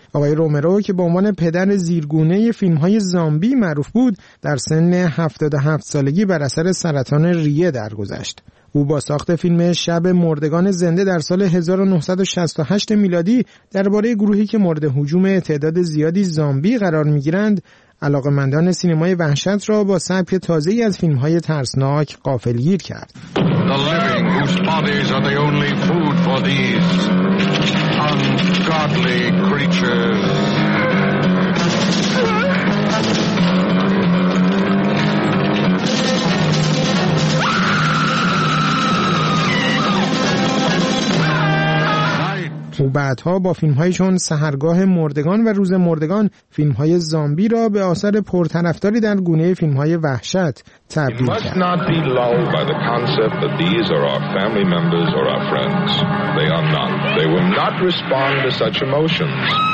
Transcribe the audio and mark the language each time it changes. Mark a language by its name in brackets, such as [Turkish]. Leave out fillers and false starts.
[Persian] آقای رومرو که به عنوان پدر زیرگونه فیلمهای زامبی معروف بود، در سن 77 سالگی بر اثر سرطان ریه درگذشت. او با ساخت فیلم شب مردگان زنده در سال 1968 میلادی درباره گروهی که مورد هجوم تعداد زیادی زامبی قرار می‌گیرند، علاقه‌مندان سینمای وحشت را با سبک تازه‌ای از فیلم‌های ترسناک غافلگیر کرد. [English] The living whose bodies are the only food for these ungodly creatures. [Persian] و بعدها با فیلم‌های چون سحرگاه مردگان و روز مردگان فیلم‌های زامبی را به آثار پرطرفداری در گونه فیلم‌های وحشت تبدیل کرد. [English] Not be lulled by the concept that these are our family members or our friends. They are not. They will not respond to such emotions.